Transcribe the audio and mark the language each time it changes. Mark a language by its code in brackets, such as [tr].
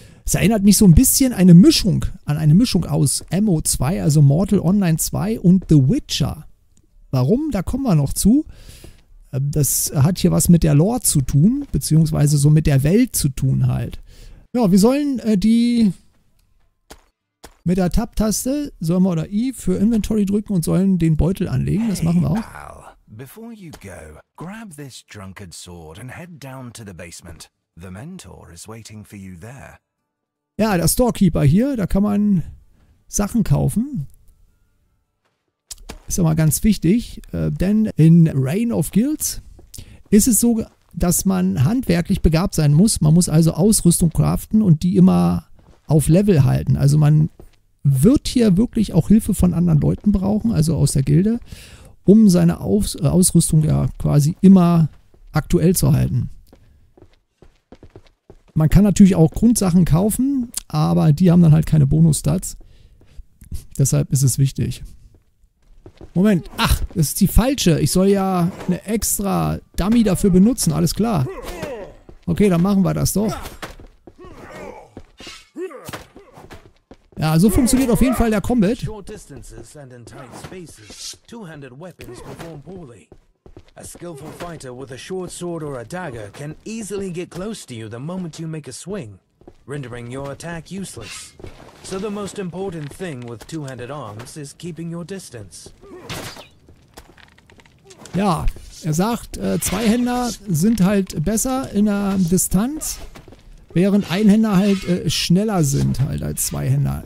[de] Es erinnert mich so ein bisschen an eine Mischung aus MO2, also Mortal Online 2 und The Witcher. Warum? Da kommen wir noch zu. Das hat hier was mit der Lore zu tun, beziehungsweise so mit der Welt zu tun halt. Ja, wir sollen die mit der Tab-Taste, sollen wir oder I für Inventory drücken und sollen den Beutel anlegen. Das machen wir auch. [en] Hey, Al, before you go, grab this drunkard sword and head down to the basement. The mentor is waiting for you there. [de] Ja, der Storekeeper hier, da kann man Sachen kaufen. Ist immer ganz wichtig, denn in Reign of Guilds ist es so, dass man handwerklich begabt sein muss. Man muss also Ausrüstung craften und die immer auf Level halten. Also man wird hier wirklich auch Hilfe von anderen Leuten brauchen, also aus der Gilde, um seine Ausrüstung ja quasi immer aktuell zu halten. Man kann natürlich auch Grundsachen kaufen, aber die haben dann halt keine Bonus-Stats. Deshalb ist es wichtig. Moment, ach, das ist die falsche. Ich soll ja eine extra Dummy dafür benutzen, alles klar. Okay, dann machen wir das doch. Ja, so funktioniert auf jeden Fall der Combat. [en] Short distances and in tight spaces, two-handed weapons perform poorly. A skillful fighter with a short sword or a dagger can easily get close to you the moment you make a swing, rendering your attack useless. So the most important thing with two-handed arms is keeping your distance. [de] Ja, er sagt, Zweihänder sind halt besser in der Distanz, während Einhänder halt schneller sind halt als Zweihänder.